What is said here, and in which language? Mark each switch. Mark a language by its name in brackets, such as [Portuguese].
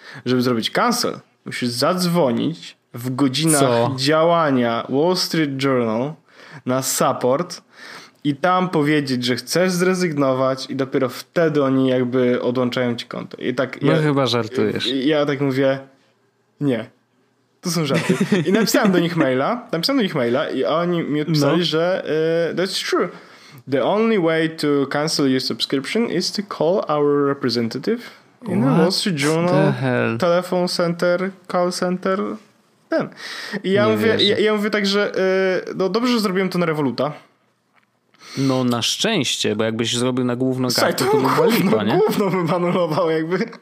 [Polish] Żeby zrobić cancel, musisz zadzwonić w godzinach działania Wall Street Journal na support i tam powiedzieć, że chcesz zrezygnować i dopiero wtedy oni jakby odłączają ci konto. I tak no chyba żartujesz. Ja tak mówię, nie. To są żarty. I napisałem do nich maila i oni mi odpisali, że [English] that's true. The only way to cancel your subscription is to call our representative in the Wall Street Journal telephone center, call center. [Polish] Ten. I ja mówię tak, że no dobrze, że zrobiłem to na Revoluta. No na szczęście, bo jakbyś zrobił na główną kartę, to by było lipa, nie? Główną bym anulował jakby.